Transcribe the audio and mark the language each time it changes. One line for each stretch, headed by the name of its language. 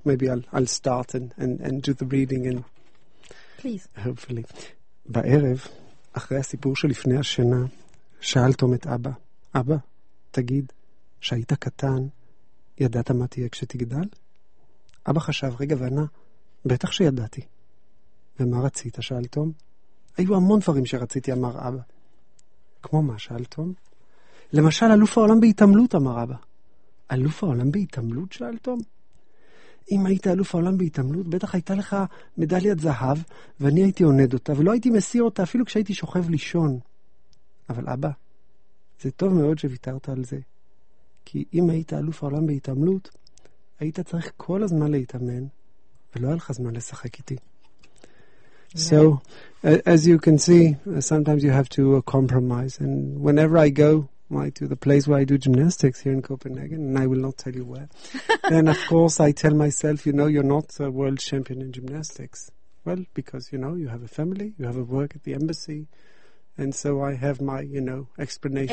English: Maybe I'll start and do the reading, and please, hopefully.
Hebrew: בערב אחרי הסיפור שלפני השינה שאל תום את אבא, אבא תגיד, שהיית קטן, ידעת מה תהיה כשתגדל? אבא חשב רגע וענה, בטח שידעתי. ומה רצית? שאל תום. היו המון דברים שרציתי, אמר אבא. כמו מה? שאל תום. למשל, אלוף העולם בהתעמלות, אמר אבא. אלוף העולם בהתעמלות? שאל תום. אם היית אלוף העולם בהתעמלות, בטח הייתה לך מדליית זהב, ואני הייתי עונד אותה, ולא הייתי מסיר אותה, אפילו כשהייתי שוכב לישון. אבל אבא, זה טוב מאוד שוויתרת על זה. כי אם היית אלוף העולם בהתעמלות, היית צריך כל הזמן להתאמן, ולא היה לך זמן לשחק איתי.
English: So, as you can see, sometimes you have to compromise. And whenever I go to the place where I do gymnastics here in Copenhagen, and I will not tell you where, then of course I tell myself, you're not a world champion in gymnastics. Well, because, you have a family, you have a work at the embassy, and so I have my, explanation.